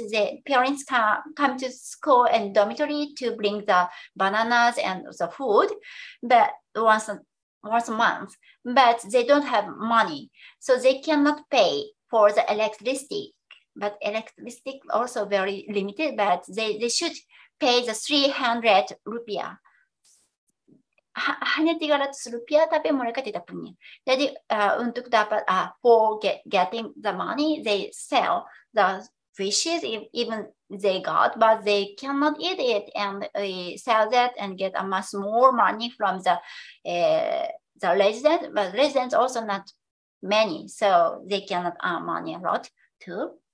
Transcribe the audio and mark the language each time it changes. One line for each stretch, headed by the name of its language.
English: The parents come to school and dormitory to bring the bananas and the food, but once a month, but they don't have money. So they cannot pay for the electricity, but electricity also very limited, but they should pay the 300 rupiah
Indonesian: hanya 300 rupiah, tapi mereka tidak punya. Jadi untuk dapat
English: getting the money, they sell the fishes even they got, but they cannot eat it and sell that and get a much more money from the residents. But residents also not many, so they cannot earn money a lot too.